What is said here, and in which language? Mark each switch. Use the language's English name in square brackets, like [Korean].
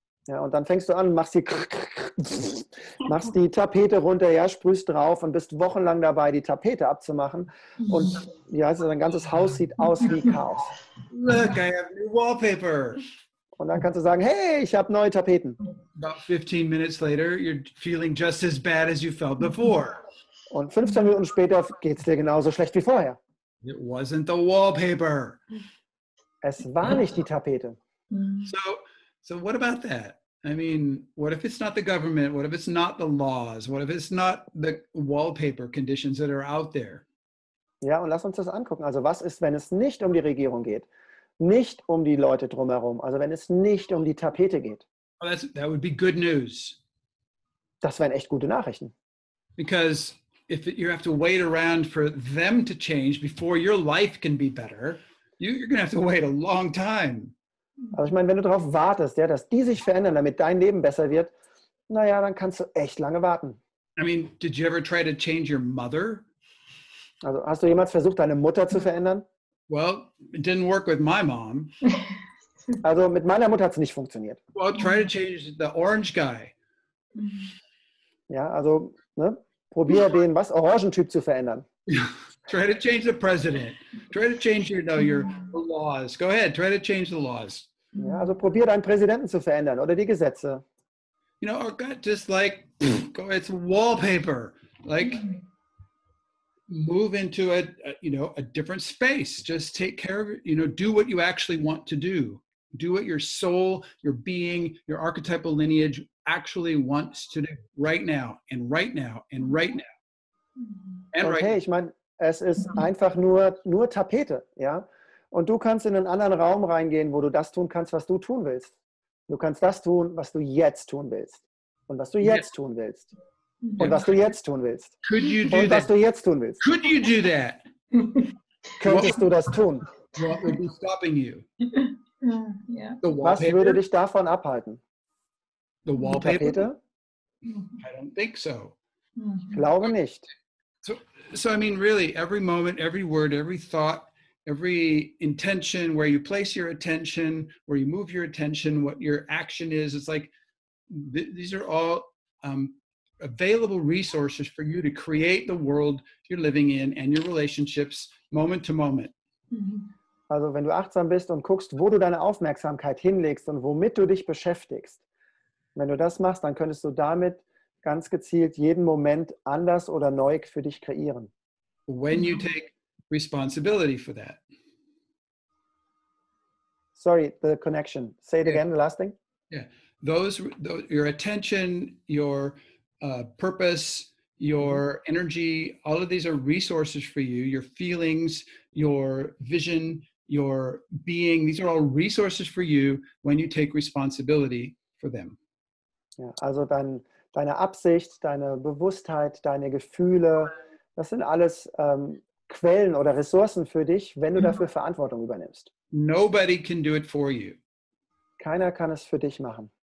[German] Ja, und dann fängst du an, machst die Tapete runter, ja, sprühst drauf und bist wochenlang dabei, die Tapete abzumachen. Und ja, also dein ganzes Haus sieht aus wie Chaos. [English] Look, I have new wallpaper. [German] Und dann kannst du sagen, hey, ich habe neue Tapeten. [English] About 15 minutes later, you're feeling just as bad as you felt before. [German] Und 15 Minuten später geht es dir genauso schlecht wie vorher. [English] It wasn't the wallpaper. [German] Es war nicht die Tapete. [English] So what about that? I mean, what if it's not the government? What if it's not the laws? What if it's not the wallpaper conditions that are out there? [German] Ja, und lass uns das angucken. Also was ist, wenn es nicht um die Regierung geht? Nicht um die Leute drumherum? Also wenn es nicht um die Tapete geht? [English] Well, that would be good news. [German] Das wären echt gute Nachrichten. [English] Because if you have to wait around for them to change before your life can be better, you're going to have to wait a long time. [German] Also ich meine, wenn du darauf wartest, ja, dass die sich verändern, damit dein Leben besser wird, naja, dann kannst du echt lange warten. [English] I mean, did you ever try to change your mother? [German] Also hast du jemals versucht, deine Mutter zu verändern? [English] Well, it didn't work with my mom. [German] Also mit meiner Mutter hat es nicht funktioniert. [English] Well, try to change the orange guy. [German] Ja, also ne, probier den was Orangentyp zu verändern. [English] Try to change the president. Try to change your laws. Go ahead, try to change the laws. [German] Ja, also probier deinen Präsidenten zu verändern oder die Gesetze. [English] You know, just like, it's wallpaper. Like, move into a different space. Just take care of it. You know, do what you actually want to do. Do what your soul, your being, your archetypal lineage actually wants to do right now and right now and right now. And okay, right now. [German] Ich meine, es ist einfach nur Tapete, ja. Und du kannst in einen anderen Raum reingehen, wo du das tun kannst, was du tun willst. Du kannst das tun, was du jetzt tun willst. Und was du jetzt tun willst. Und was du jetzt tun willst. [English] Could you do [German] und was [English] that? [German] Du jetzt tun willst. [English] Could you do that? [German] Könntest du das tun? [English] What would be stopping you? The wallpaper? [German] Was würde dich davon abhalten? [English] The wallpaper? [German] Die Tapete? [English] I don't think so. [German] Ich glaube nicht. [English] So I mean, really, every moment, every word, every thought, every intention, where you place your attention, where you move your attention, what your action is, it's like these are all available resources for you to create the world you're living in and your relationships moment to moment. [German] Also wenn du achtsam bist und guckst, wo du deine Aufmerksamkeit hinlegst und womit du dich beschäftigst, wenn du das machst, dann könntest du damit ganz gezielt jeden Moment anders oder neu für dich kreieren. [English] When you take responsibility for that. Sorry, the connection. Say it again, the last thing. Yeah. Those your attention, your purpose, your energy, all of these are resources for you. Your feelings, your vision, your being, these are all resources for you when you take responsibility for them. [German] Ja, also dann deine Absicht, deine Bewusstheit, deine Gefühle, das sind alles Quellen oder Ressourcen für dich, wenn du dafür Verantwortung übernimmst. [English] Nobody can do it for you. [German] Keiner kann es für dich machen.